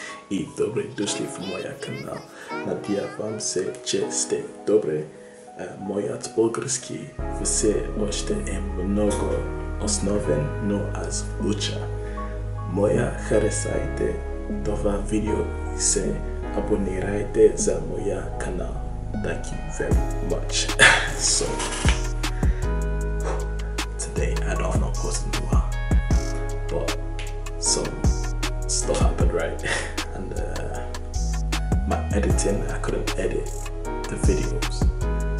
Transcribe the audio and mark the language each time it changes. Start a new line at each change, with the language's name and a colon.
Bulgarian: И добре дошли в моя канал. Надявам се, че сте добре. Моят български все още е много основен, но аз уча. Моя харесайте това видео и се абонирайте за моя канал.
English: Thank you very much. So, today I don't know what's in the world, but some stuff happened, right? And my editing, I couldn't edit the videos.